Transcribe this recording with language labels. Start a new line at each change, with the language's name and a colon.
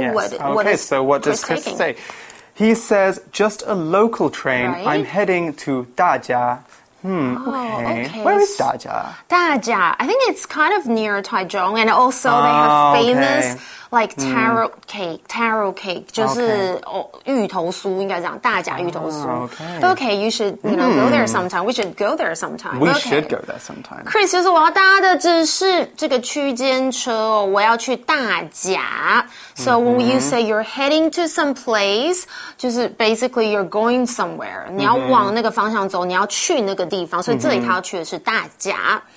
English: yes. what okay, so what does Chris say? He says, just a local train,、 right? I'm heading to 大家。Where is 大家? 大家, I think it's kind of near Taichung, and also、oh, they have famous...、 Okay. Like taro cake, 就是、 okay.
Chinese: 哦、芋头酥应该这样，大甲芋头酥。
English: Oh, okay. okay, you should you know、mm. go there sometime. We should go there sometime. We、 okay. should go there sometime.
Chinese: Chris 就是我要搭的只是这个区间车、哦、我要去大甲。So、mm-hmm.
English: when you say you're heading to some place, 就是 basically you're going somewhere.
Chinese: 你要往那个方向走，你要去那个地方，所以这里他要去的是大甲。